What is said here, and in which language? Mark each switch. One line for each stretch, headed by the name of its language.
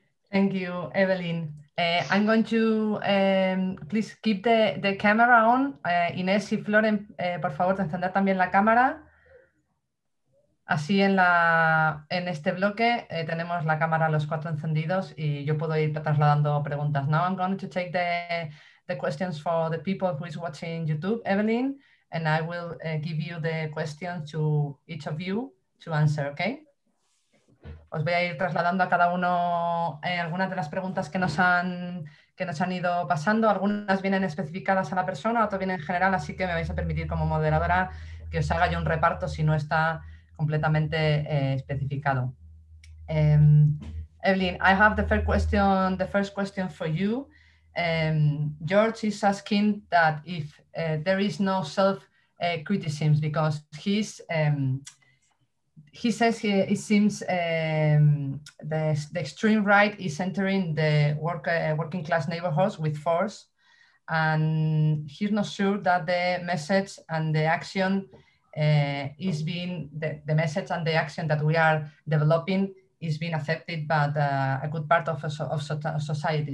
English: Thank you, Evelyn. I'm going to please keep the camera on.
Spanish: Inés y Floren, por favor, encender también la cámara. Así en este bloque tenemos la cámara los cuatro encendidos y yo puedo ir trasladando preguntas.
English: Now I'm going to take the questions for the people who is watching YouTube, Evelyn, and I will give you the questions to each of you to answer, okay?
Spanish: Os voy a ir trasladando a cada uno algunas de las preguntas que nos han ido pasando. Algunas vienen especificadas a la persona, otras vienen en general, así que me vais a permitir como moderadora que os haga yo un reparto si no está completamente especificado.
English: Evelyn, I have the first question for you. George is asking that if there is no self-criticism, because he says the extreme right is entering the working class neighborhoods with force, and he's not sure that the message and the action is being the message and the action that we are developing is being accepted by a good part of society.